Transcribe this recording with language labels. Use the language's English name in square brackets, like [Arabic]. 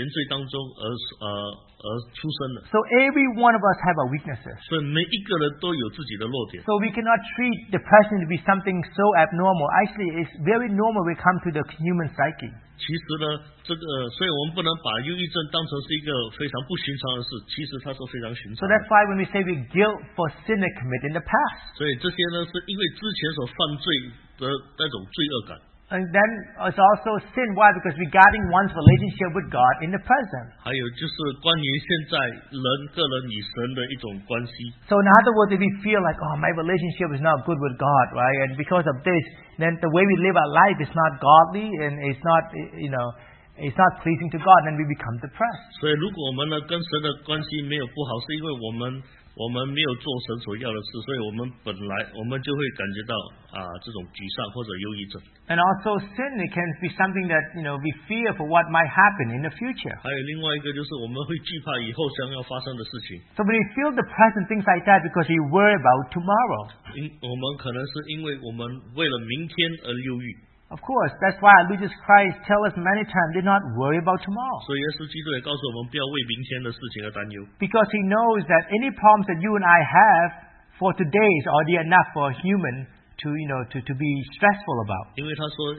[English] So every one of us have our weaknesses. So we cannot treat depression to be something so abnormal. Actually, it's very normal when it comes to the human psyche. [Chinese] 其实呢，这个，所以我们不能把忧郁症当成是一个非常不寻常的事。其实它是非常寻常的。 [English] So that's why when we say we're guilt for sin that committed in the past. [Chinese] 所以这些呢，是因为之前所犯罪的那种罪恶感。 [English] And then it's also sin. Why? Because regarding one's relationship with God in the present. So in other words, if we feel like, oh, my relationship is not good with God, right? And because of this, then the way we live our life is not godly and it's not, you know, it's not pleasing to God, then we become depressed. [Chinese] 所以如果我们呢跟神的关系没有不好，是因为我们 我们没有做神所要的事，所以我们本来就会感觉到这种沮丧或者忧郁症。 [English] And also sin, it can be something that, you know, we fear for what might happen in the future. [Chinese] 还有另外一个就是我们会惧怕以后将要发生的事情。 [English] So we feel the present things like that because we worry about tomorrow. [Chinese] 我们可能是因为我们为了明天而忧郁。 [English] Of course, that's why our Jesus Christ tells us many times, do not worry about tomorrow. Because he knows that any problems that you and I have for today is already enough for a human to, you know, to be stressful about. [Chinese] 因为他说,